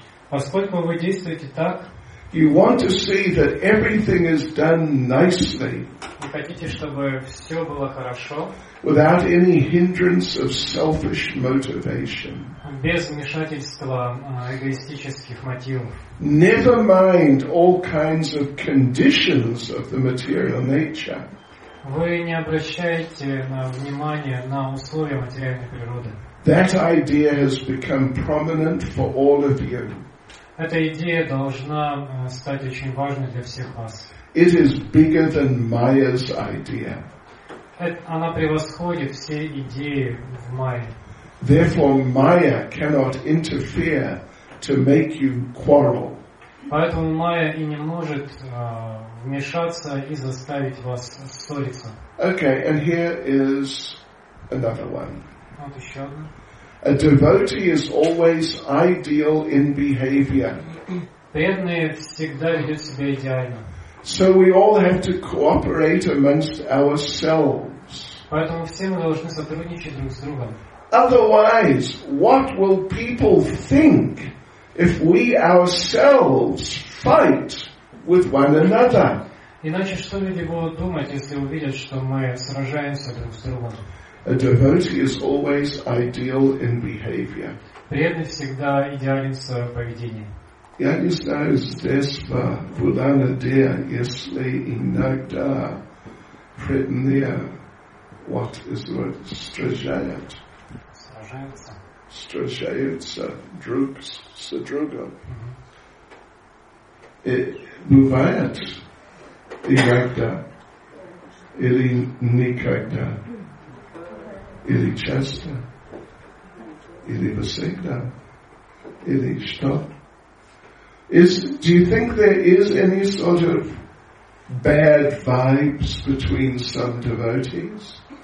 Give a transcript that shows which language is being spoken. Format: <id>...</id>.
<ru>поскольку вы действуете так,</ru> <en>you want to see that everything is done nicely,</en> <ru>вы хотите, чтобы все было хорошо,</ru> <en>without any hindrance of selfish motivation,</en> <ru>без вмешательства эгоистических мотивов.</ru> <en>Never mind all kinds of conditions of the material nature.</en> <ru>Вы не обращаете внимания на условия материальной природы.</ru> <en>That idea has become prominent for all of you.</en> <ru>Эта идея должна стать очень важной для всех вас.</ru> <en>It is bigger than Maya's idea.</en> <ru>Она превосходит все идеи в Майе.</ru> <en>Therefore, Maya cannot interfere to make you quarrel.</en> <ru>Поэтому Майя и не может вмешаться и заставить вас ссориться.</ru> <en>Okay, and here is another one.</en> <ru>Вот еще одна.</ru> <en>A devotee is always ideal in behavior.</en> <ru>Преданный всегда ведет себя идеально.</ru> <en>So we all have to cooperate amongst ourselves.</en> <ru>Поэтому все мы должны сотрудничать друг с другом.</ru> <en>Otherwise, what will people think if we ourselves fight with one another?</en> <ru>Иначе что люди будут думать, если увидят, что мы сражаемся друг с другом?</ru> <en>A devotee is always ideal in behavior.</en> <ru>Преданный всегда идеален в своем поведении. Я не знаю, здесь была надея, если иногда преданные</ru> <en>what is the word?</en> <ru>Стражают. Сражаются. Стражаются друг с другом. Бывает иногда или никогда. Или часто, или всегда, или что?</ru> <en>Do you think there is any sort of bad vibes between some devotees?</en>